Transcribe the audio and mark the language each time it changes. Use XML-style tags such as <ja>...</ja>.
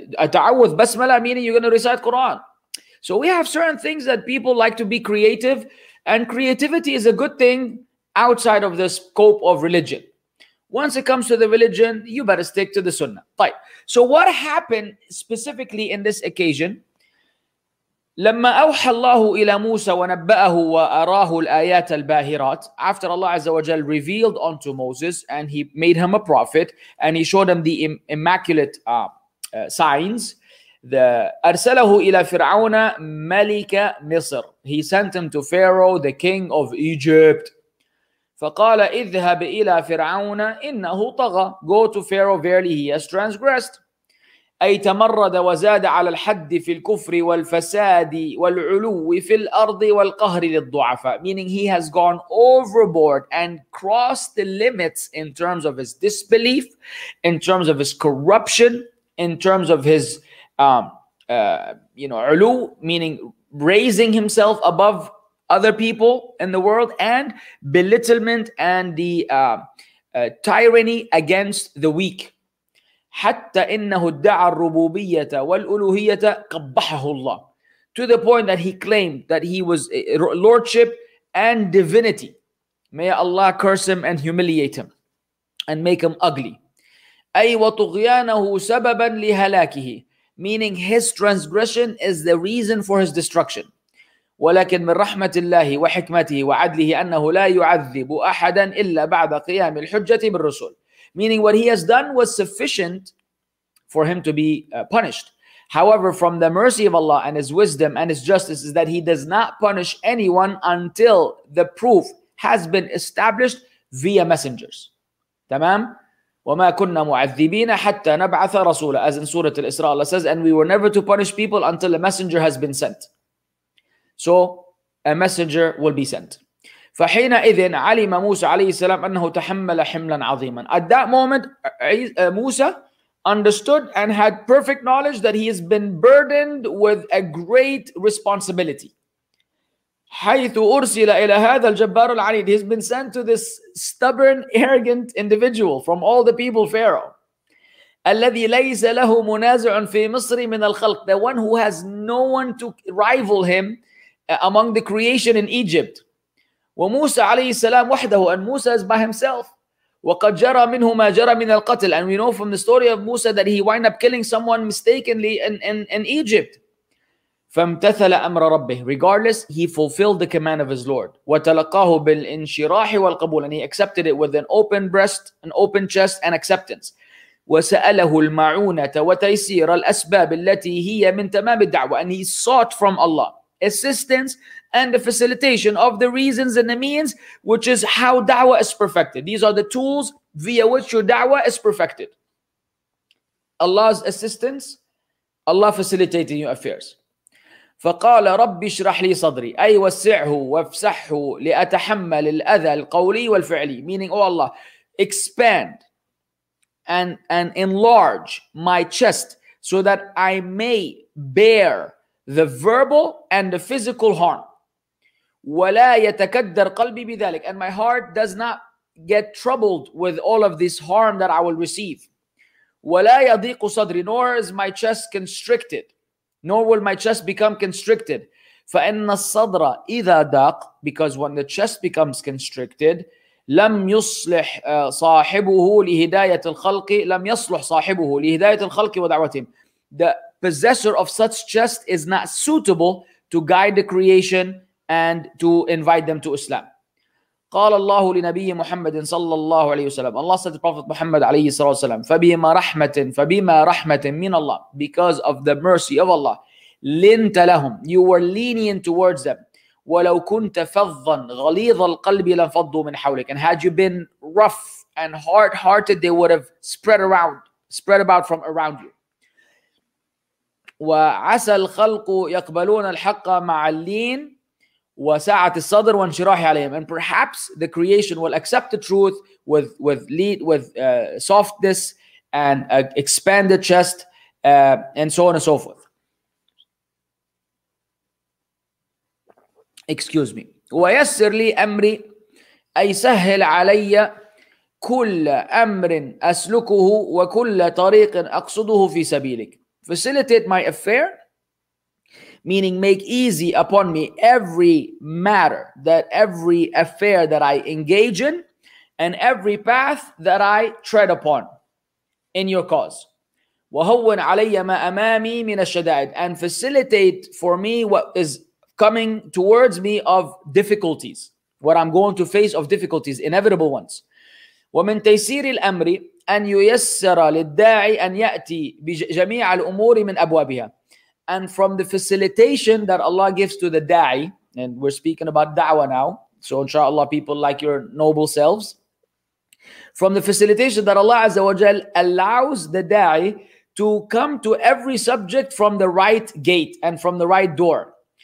<en>Ta'awudh basmala, meaning you're going to recite Quran. So we have certain things that people like to be creative, and creativity is a good thing outside of the scope of religion. Once it comes to the religion, you better stick to the sunnah.</en> <ar>طيب.</ar> <en>So what happened specifically in this occasion?</en> <ar>لما أوحى الله إلى موسى ونبأه وأراه الآيات الباهرات.</ar> <en>After Allah Azza wa Jal revealed unto Moses and he made him a prophet and he showed him the immaculate signs.</en> <ar>أرسله إلى فرعون ملك مصر.</ar> <en>He sent him to Pharaoh, the king of Egypt.</en> <ar>فقال اذهب إلى فرعون إنه طغى.</ar> <en>Go to Pharaoh, verily he has transgressed.</en> <ar>أي تمرد وزاد على الحد في الكفر والفساد والعلو في الأرض والقهر للضعفاء.</ar> <en>Meaning he has gone overboard and crossed the limits in terms of his disbelief, in terms of his corruption, in terms of his علو, meaning raising himself above other people in the world, and belittlement and the tyranny against the weak.</en> <ar>حتى إنه ادعى الربوبية والألوهية قبحه الله.</ar> <en>To the point that he claimed that he was lordship and divinity. May Allah curse him and humiliate him and make him ugly.</en> <ar>أي وطغيانه سببا لهلاكه.</ar> <en>Meaning his transgression is the reason for his destruction.</en> <ar>ولكن من رحمة الله وحكمته وعدله أنه لا يعذب أحدا إلا بعد قيام الحجة بالرسول.</ar> <en>Meaning what he has done was sufficient for him to be punished. However, from the mercy of Allah and his wisdom and his justice is that he does not punish anyone until the proof has been established via messengers.</en> <ar>تمام؟ وما كنا معذبين حتى نبعث رسولا.</ar> <en>As in Surah Al-Isra, Allah says, and we were never to punish people until a messenger has been sent. So a messenger will be sent.</en> <ar>فحينئذ علم موسى عليه السلام أنه تحمل حملا عظيما.</ar> <en>At that moment, Musa understood and had perfect knowledge that he has been burdened with a great responsibility.</en> <ar>حيث أرسل إلى هذا الجبار العنيد.</ar> <en>He's been sent to this stubborn, arrogant individual from all the people, Pharaoh.</en> <ar>الذي ليس له منازع في مصر من الخلق.</ar> <en>The one who has no one to rival him among the creation in Egypt.</en> <ar>وموسى عليه السلام وحده.</ar> <en>And Musa is by himself.</en> <ar>وقد جرى منه ما جرى من القتل.</ar> <en>And we know from the story of Musa that he wind up killing someone mistakenly in Egypt.</en> <ar>فامتثل أمر ربه.</ar> <en>Regardless, he fulfilled the command of his Lord.</en> <ar>وتلقاه بالانشراح والقبول.</ar> <en>And he accepted it with an open breast, an open chest and acceptance.</en> <ar>وسأله المعونة وتيسير الأسباب التي هي من تمام الدعوة.</ar> <en>And he sought from Allah assistance and the facilitation of the reasons and the means, which is how da'wah is perfected. These are the tools via which your da'wah is perfected. Allah's assistance, Allah facilitating your affairs.</en> <ar>فقال ربي اشرح لي صدري أي وسعه وافسحه لأتحمل الأذى القولي والفعلي.</ar> <en>Meaning, oh Allah, expand and enlarge my chest so that I may bear the verbal and the physical harm.</en> <ar>ولا يتكدر قلبي بذلك.</ar> <en>And my heart does not get troubled with all of this harm that I will receive.</en> <ar>ولا يضيق صدري.</ar> <en>Nor is my chest constricted. Nor will my chest become constricted.</en> <ar>فإن الصدر إذا ضاق.</ar> <en>Because when the chest becomes constricted,</en> <ar>لم يصلح صاحبه لهداية الخلق. لم يصلح صاحبه لهداية الخلق ودعوتهم.</ar> <en>The possessor of such chest is not suitable to guide the creation and to invite them to Islam.</en> <ar>قال الله لنبي محمد صلى الله عليه وسلم.</ar> <en>Allah said to Prophet Muhammad</en> <ar>عليه الصلاة والسلام, فبما رحمة من الله.</ar> <en>Because of the mercy of Allah,</en> <ar>لنت لهم.</ar> <en>You were lenient towards them.</en> <ar>ولو كنت فظا غليظ القلب لنفضوا من حولك.</ar> <en>And had you been rough and hard-hearted, they would have spread about from around you.</en> <ar>وعسى الخلق يقبلون الحق مع اللين وسعة الصدر وانشراحي عليهم.</ar> <en>And perhaps the creation will accept the truth with softness and expand the chest, and so on and so forth. Excuse me.</en> <ar>ويسر لي أمري أي سهل علي كل أمر أسلكه وكل طريق أقصده في سبيلك.</ar> <en>Facilitate my affair, meaning make easy upon me every matter, that every affair that I engage in, and every path that I tread upon in your cause.</en> <ar>وهون علي ما أمامي من الشدائد,</ar> <en>and facilitate for me what is coming towards me of difficulties, what I'm going to face of difficulties, inevitable ones.</en> <ar>ومن تيسير الأمر أن ييسر للداعي أن يأتي بجميع الأمور من أبوابها.</ar> <en>And from the facilitation that Allah gives to the da'i, and we're speaking about da'wah now, so inshallah, people like your noble selves, from the facilitation that Allah Azza wa Jal allows the da'i to come to every subject from the right gate and from the right door.</en>